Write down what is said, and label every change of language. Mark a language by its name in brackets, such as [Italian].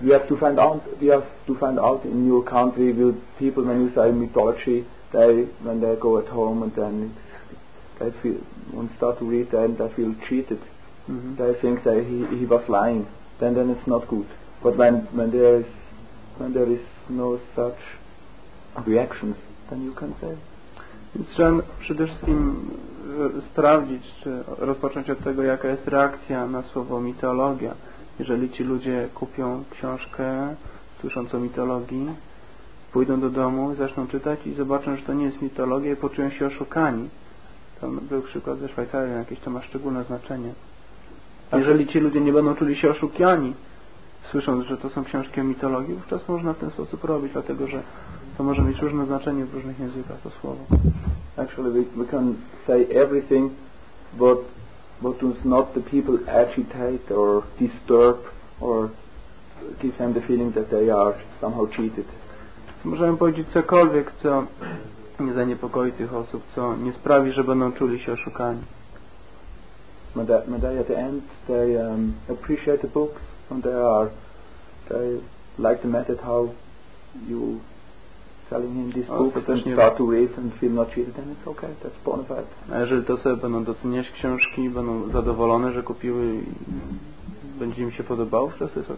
[English] We have to find out in your country with people when you say mythology, when they go at home and then they feel when start to read them they feel cheated. Mm-hmm. They think that he was lying. Then it's not good. But when there is no such reactions, then you can say. [Polish] Przede wszystkim sprawdzić czy rozpocząć od tego, jaka jest reakcja na słowo mitologia. Jeżeli ci ludzie kupią książkę słysząc o mitologii, pójdą do domu, zaczną czytać i zobaczą, że to nie jest mitologia i poczują się oszukani. To był przykład ze Szwajcarii, jakieś to ma szczególne znaczenie. A jeżeli ci ludzie nie będą czuli się oszukani, słysząc, że to są książki o mitologii, wówczas można w ten sposób robić, dlatego że to może mieć różne znaczenie w różnych językach, to słowo. [English] Actually, we can say everything, but does not the people agitate or disturb or give them the feeling that they are somehow cheated. [Polish] Możemy powiedzieć cokolwiek, co nie zaniepokoi tych osób, co nie sprawi, że będą czuli się oszukani. [English] At the end, they appreciate the books and they like the method how you telling him this book and start to read and feel not cheated, then it's okay, that's bona fide. [Polish] A jeżeli to sobie będą doceniać książki, będą zadowolone, że kupiły i będzie im się podobało, to jest okej.